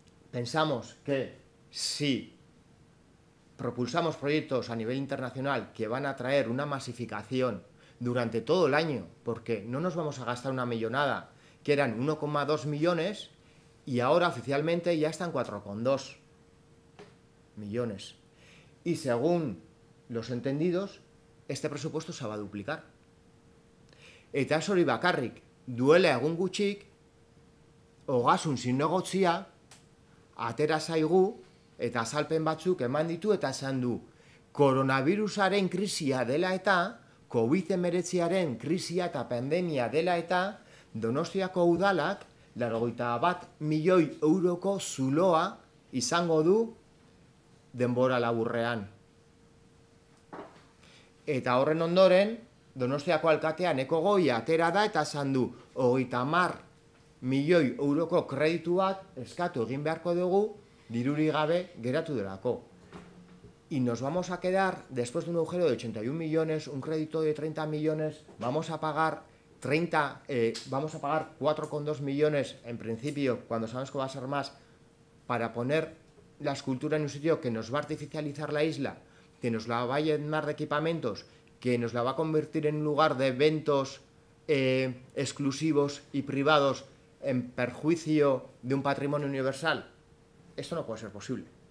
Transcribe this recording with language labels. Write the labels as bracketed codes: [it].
[es] Pensamos que si propulsamos proyectos a nivel internacional que van a traer una masificación durante todo el año, porque no nos vamos a gastar una millonada, que eran 1,2 millones, y ahora oficialmente ya están 4,2 millones. Y según los entendidos, este presupuesto se va a duplicar. [eu] Eta hori bakarrik, duela egun gutxik, Ogasun zinegotzia, atera zaigu, eta azalpen batzuk eman ditu, eta esan du, koronavirusaren krisia dela eta, COVID-19aren krisia eta pandemia dela eta, Donostiako udalak, 81 milioi euroko zuloa izango du denbora laburrean. Eta horren ondoren, Donostiako alkatean Eko Goia atera da eta esan du, 80 milioi euroko kredituak eskatu egin beharko dugu, dirurik gabe geratu delako. [es] Y nos vamos a quedar, después de un agujero de 81 millones, un crédito de 30 millones, vamos a pagar 4,2 millones en principio, cuando sabemos que va a ser más, para poner la escultura en un sitio que nos va a artificializar la isla, que nos la va a llenar de equipamientos, que nos la va a convertir en un lugar de eventos exclusivos y privados en perjuicio de un patrimonio universal. Esto no puede ser posible.